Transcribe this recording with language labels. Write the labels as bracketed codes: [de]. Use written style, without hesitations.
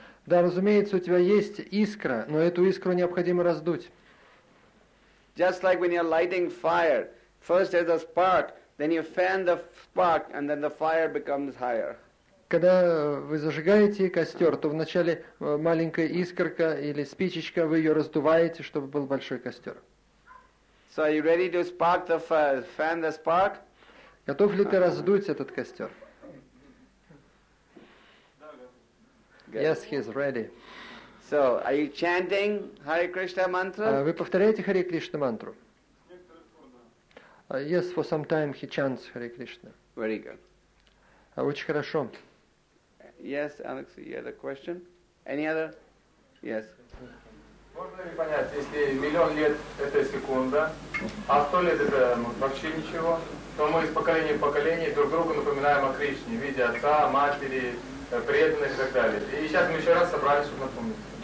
[ru] Да, разумеется, у тебя есть искра, но эту искру необходимо раздуть. [en] Just like when you're lighting fire, first there's a spark, then you fan the spark, and then the fire becomes higher. [ru] Когда вы зажигаете костер, то вначале маленькая искорка или спичечка, вы ее раздуваете, чтобы был большой костер. [en] So are you ready to spark the fan the spark? [ru] Готов ли ты раздуть этот костер? [en] Yes, he is ready. So are you chanting Hare Krishna mantra? [ru] Вы повторяете Hare Krishna мантру? [en] Yes, for some time he chants Hare Krishna. Very good. [ru] Очень хорошо. [en] Yes, Alex, you had a question? Any other? Yes. [ru] Можно ли понять, если миллион лет – это секунда, а сто лет – это вообще ничего, то мы из поколения в поколение друг другу напоминаем о Кришне в виде отца, матери, преданных и так далее. И сейчас мы еще раз собрались, чтобы напомнить.